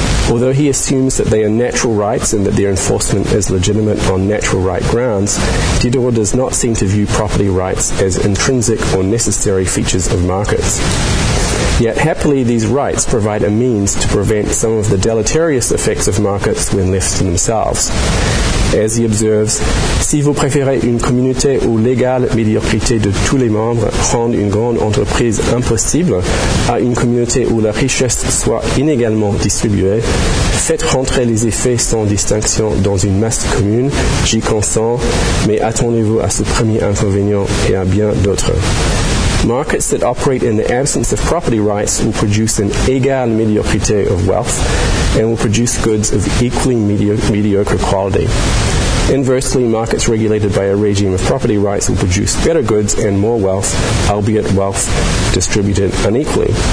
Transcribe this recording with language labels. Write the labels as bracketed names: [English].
[English] Although he assumes that they are natural rights and that their enforcement is legitimate on natural right grounds, Diderot does not seem to view property rights as intrinsic or necessary features of markets. Yet, happily, these rights provide a means to prevent some of the deleterious effects of markets when left to themselves. As he observes, [French] si vous préférez une communauté où l'égale médiocrité de tous les membres rend une grande entreprise impossible à une communauté où la richesse soit inégalement distribuée, faites rentrer les effets sans distinction dans une masse commune, j'y consens, mais attendez-vous à ce premier inconvénient et à bien d'autres. [English] Markets that operate in the absence of property rights will produce an égale médiocrité of wealth and will produce goods of equally mediocre quality. Inversely, markets regulated by a regime of property rights will produce better goods and more wealth, albeit wealth distributed unequally.